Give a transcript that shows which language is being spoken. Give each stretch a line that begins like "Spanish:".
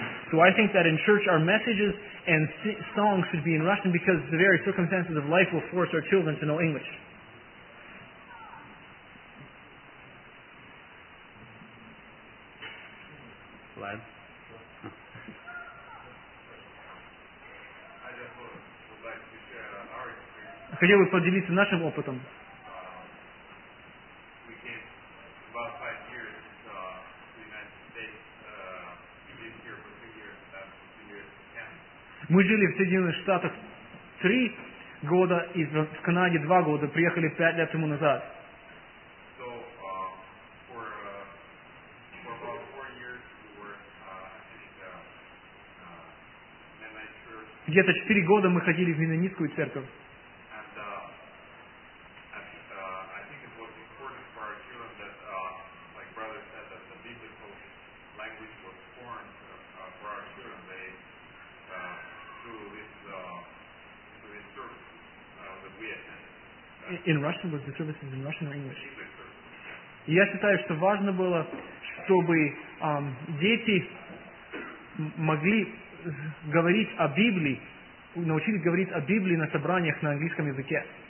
English: So I think that in church our messages and songs should be in Russian because the very circumstances of life will force our children to know English. Vlad? I just would like to share our experience.
Russian: Хотел бы поделиться нашим опытом. Мы жили в Соединенных Штатах 3 года, и в Канаде 2 года, приехали 5 лет тому назад. Где-то 4 года мы ходили в Меннонитскую церковь.
English: In Russian, was the services in Russian or English?
Russian: Я считаю, что важно было, чтобы дети могли говорить о Библии, научились говорить о Библии на собраниях на английском языке.